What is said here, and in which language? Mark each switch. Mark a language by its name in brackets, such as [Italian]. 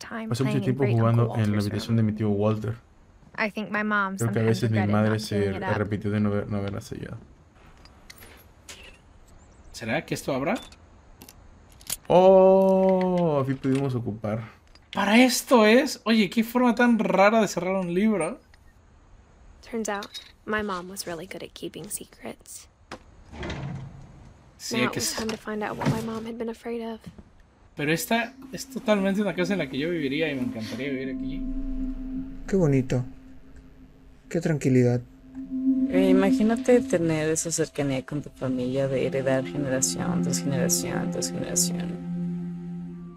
[Spanish] Pasé mucho tiempo jugando en la habitación de mi tío Walter. Creo que a veces mi madre se arrepintió de no haberla sellado. ¿Será que esto abra? ¡Oh! Aquí pudimos ocupar. ¿Para esto es? Oye, qué forma tan rara de cerrar un libro. [English] Turns out, my mom was really good at keeping secrets. [Spanish] Sí, [English] now [Spanish] que [English] it was time to find out what my mom had been afraid of. [Spanish] Pero esta es totalmente una casa en la que yo viviría y me encantaría vivir aquí. Qué bonito. Qué tranquilidad. Imagínate tener esa cercanía con tu familia, de heredar generación tras generación tras generación.